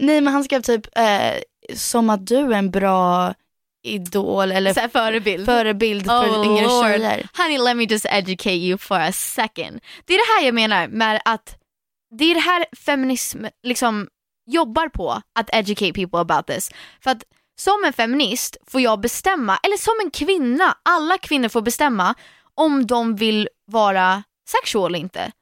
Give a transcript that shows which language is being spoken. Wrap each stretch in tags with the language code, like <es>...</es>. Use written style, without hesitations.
<sv>Nej, men han skrev typ som att du är en bra idol eller så här, förebild för yngre tjejer.</sv> <en>Honey, let me just educate you for a second.</en> <sv>Det är det här jag menar med att det är det här feminism liksom jobbar på, att</sv> <en>educate people about this.</en> <sv>För att som en feminist får jag bestämma, eller som en kvinna, alla kvinnor får bestämma om de vill vara sexual eller inte.</sv>